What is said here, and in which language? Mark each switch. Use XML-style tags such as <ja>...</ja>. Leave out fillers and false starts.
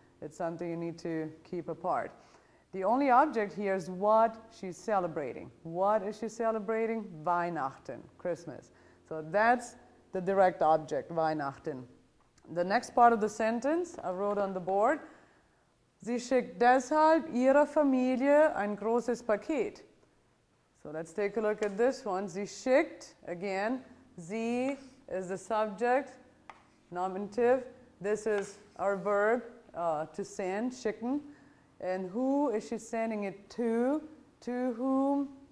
<en>It's something you need to keep apart. The only object here is what she's celebrating. What is she celebrating? Weihnachten, Christmas. So that's the direct object, Weihnachten. The next part of the sentence I wrote on the board.</en> <de>Sie schickt deshalb ihrer Familie ein großes Paket.</de> <en>So let's take a look at this one.</en> <de>Sie schickt,</de> <en>again, sie is the subject, nominative. This is our verb, to send, schicken. And who is she sending it to? To whom?</en>